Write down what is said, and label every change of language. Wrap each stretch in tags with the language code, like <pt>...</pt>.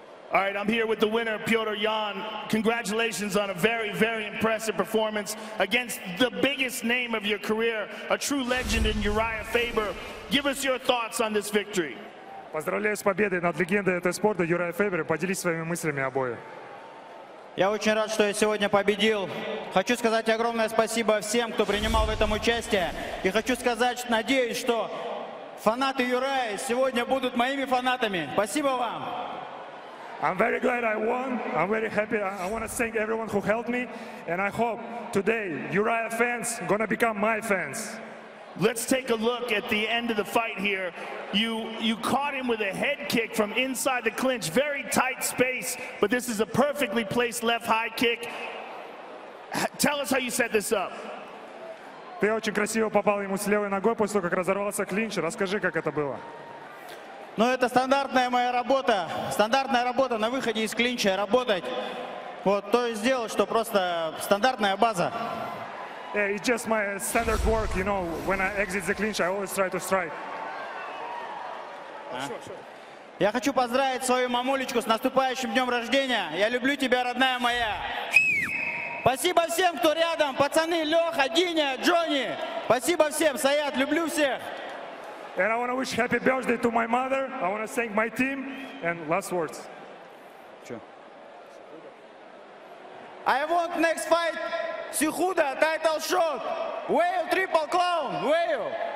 <en>All right, I'm here with the winner, Petr Yan. Congratulations on a very, very impressive performance against the biggest name of your career, a true legend in Uriah Faber. Give us your thoughts on this victory.</en> <ru>Поздравляю с победой над легендой этого спорта Юрием Фейбером. Поделись своими мыслями о бою. Я очень рад, что я сегодня победил. Хочу сказать огромное спасибо всем, кто принимал в этом участие. И хочу сказать, надеюсь, что фанаты Юрая сегодня будут моими фанатами. Спасибо вам.</ru> <en>I'm very glad I won. I'm very happy. I want to thank everyone who helped me. And I hope today Uriah fans are going to become my fans. Let's take a look at the end of the fight here. You caught him with a head kick from inside the clinch. Very tight space, but this is a perfectly placed left high kick. Tell us how you set this up.</en> <ru>Ты очень красиво попал ему с левой ногой после того, как разорвался клинч. Расскажи, как это было. Но это стандартная моя работа. Стандартная работа на выходе из клинча, работать. Вот, то есть сделал, что просто стандартная база.</ru> <en>Yeah, it's just my standard work, you know, when I exit the clinch, I always try to strike.</en> <ru>Я хочу поздравить свою мамулечку с наступающим днем рождения. Я люблю тебя, родная моя. Спасибо всем, кто рядом. Пацаны, Леха, Диня, Джонни. Спасибо всем. Саят, люблю всех.</ru> <en>And I want to wish happy birthday to my mother. I want to thank my team. And last words. I want next fight, Сихуда, title shot. Whale, triple clown, whale.</en>